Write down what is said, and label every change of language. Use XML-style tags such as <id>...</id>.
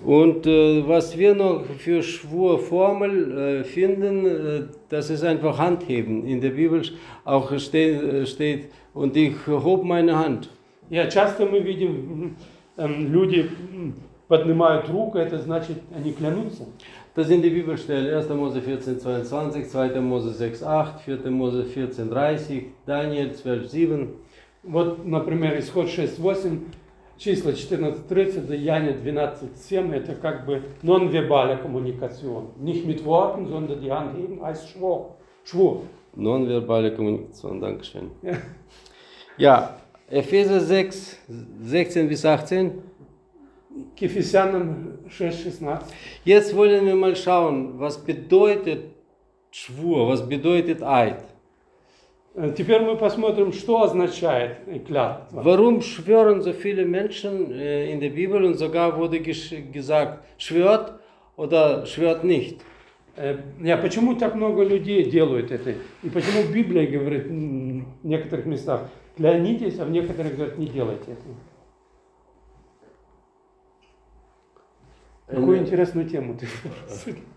<de>Und was wir noch für Schwurformel finden, das ist einfach Handheben. In der Bibel auch steht und ich hob meine Hand.</de> <ru>Ja, часто мы видим, люди поднимают руку, это значит, они клянутся.</ru> <de>Das sind die Bibelstellen 1. Mose 14, 22, 2. Mose 6, 8, 4. Mose 14, 30, Daniel 12, 7.</de> <ru>Вот, например, исход 6, 8. числа 14.30 до Яня 12.7 это как бы нон-вербальная коммуникация.</ru> <de>Nicht mit Worten, sondern die Hand heben heißt Schwur. Non-verbale Kommunikation, danke schön. Ja, Epheser 6, 16 bis 18.</de> <en>Ephesians 6, 16.</en> <de>Jetzt wollen wir mal schauen, was bedeutet Schwur, was bedeutet Eid.</de> <ru>Теперь мы посмотрим, что означает клятва.</ru> <de>Warum schwören so viele Menschen in der Bibel und sogar wurde gesagt, schwört oder schwört nicht?</de> <ru>Я почему так много людей делают это? И почему Библия говорит в некоторых местах клянитесь, а в некоторых говорят не делайте это? Какую интересную тему ты спросил?</ru>